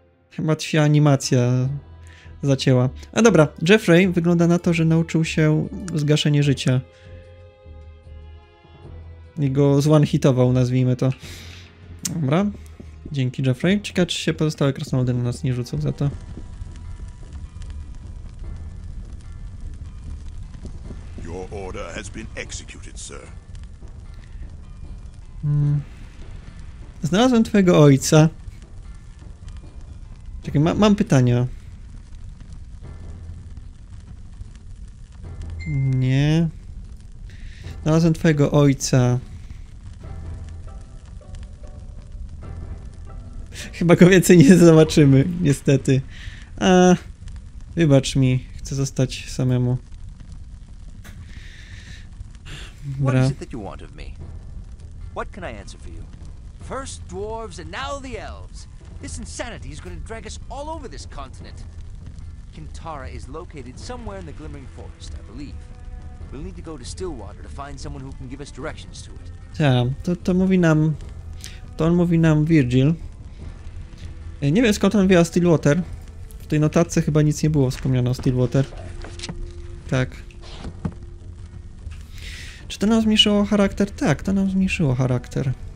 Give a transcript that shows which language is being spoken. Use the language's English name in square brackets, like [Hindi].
[Polish] Chyba się animacja zacięła. A dobra, Geoffrey wygląda na to, że nauczył się zgaszenie życia. Jego zwanhitował, nazwijmy to. Dobra, dzięki Geoffrey. Ciekawe, czy się pozostałe krasnoludy na nas nie rzucą za to. [English] Order has been executed, sir. [Polish] Znalazłem twojego ojca. Czekaj, mam pytania. Nie. Znalazłem twojego ojca. Chyba go więcej nie zobaczymy, niestety. A, wybacz mi, chcę zostać samemu. Bra. [English] What is it that you want of me? What can I answer for you? First dwarves and now the elves. This insanity is going to drag us all over this continent. Kintara is located somewhere in the Glimmering Forest, I believe. We'll need to go to Stillwater to find someone who can give us directions to it. [Polish] Tak, to mówi nam... To on mówi nam Virgil. Nie wiem, skąd on wie o Stillwater. W tej notatce chyba nic nie było wspomniane o Stillwater. Tak. Czy to nam zmniejszyło charakter? Tak, to nam zmniejszyło charakter.